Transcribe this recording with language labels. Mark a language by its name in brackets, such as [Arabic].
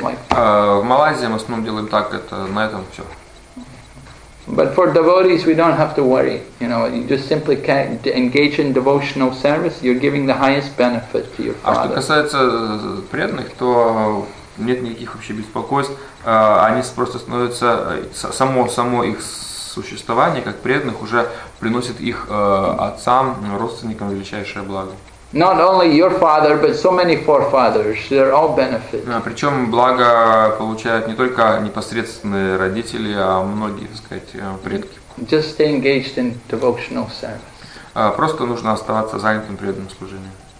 [Russian] В Малайзии мы в основном делаем так, это на этом все. [English] But for devotees, we don't have to worry. You know, you just simply can't engage in devotional service. You're giving the highest benefit to your father. [Russian] А что касается преданных, то нет никаких вообще беспокойств. Они просто становятся само их существования, как преданных, уже приносит их отцам, родственникам величайшее благо. [English] Not only your father, but so many forefathers, they're all benefit. [Russian] Причем благо получают не только непосредственные родители, а многие, так сказать, предки. [English] Just stay engaged in devotional service. [Russian] Просто нужно оставаться занятым преданным служением.